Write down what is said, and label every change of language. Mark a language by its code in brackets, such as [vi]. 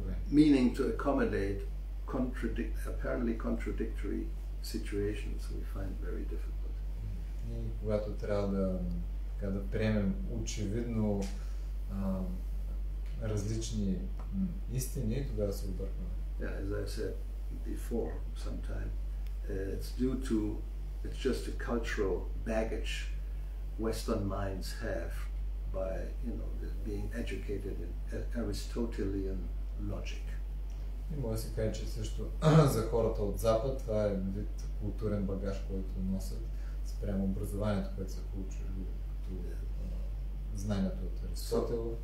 [en] meaning to accommodate apparently contradictory situations we find very difficult. [bg] И когато трябва да така да приемем очевидно различни истини, тогава се объркваме. [en] Yeah, as I said before sometime, it's just a cultural baggage Western minds have by, you know, being educated in Aristotelian logic. [bg] И може да се каже, че също за хората от Запад, това е вид културен багаж, който носят спрямо образованието, което са получили като знанието от Аристотел.